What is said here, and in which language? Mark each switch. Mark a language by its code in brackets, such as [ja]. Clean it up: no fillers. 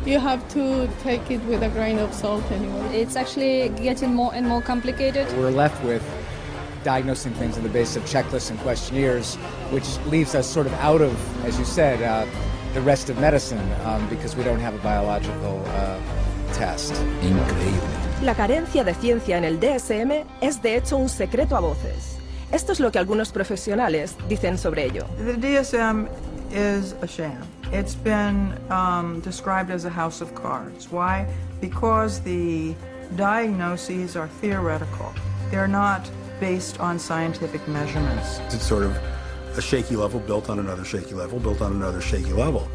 [en] You have to take it with a grain of salt anyway. It's actually getting more and more complicated. We're left with diagnosing things on the basis of checklists and questionnaires, which leaves us sort of out of, as you said, the rest of medicine, because we don't have a biological test. [es] Increíble. La carencia de ciencia en el DSM es de hecho un secreto a voces. Esto es lo que algunos profesionales dicen sobre ello. [en] The DSM is a sham. It's been described as a house of cards. Why? Because the diagnoses are theoretical. They're not based on scientific measurements. It's sort of a shaky level built on another shaky level built on another shaky level.